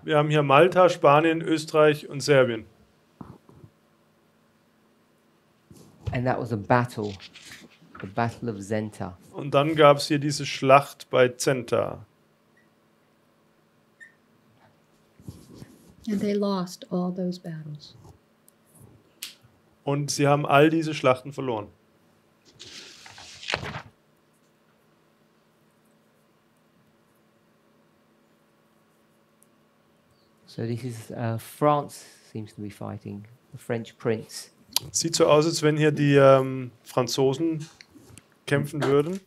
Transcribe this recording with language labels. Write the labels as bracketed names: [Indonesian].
[German] Wir haben hier Malta, Spanien, Österreich und Serbien. [English] And that was a battle, the Battle of Zenta. [German] Und dann gab es hier diese Schlacht bei Zenta. [English] And they lost all those battles. [German] Und sie haben all diese Schlachten verloren. [English] So this is France seems to be fighting the French prince. [German] Sieht so aus, als wenn hier die Franzosen kämpfen würden.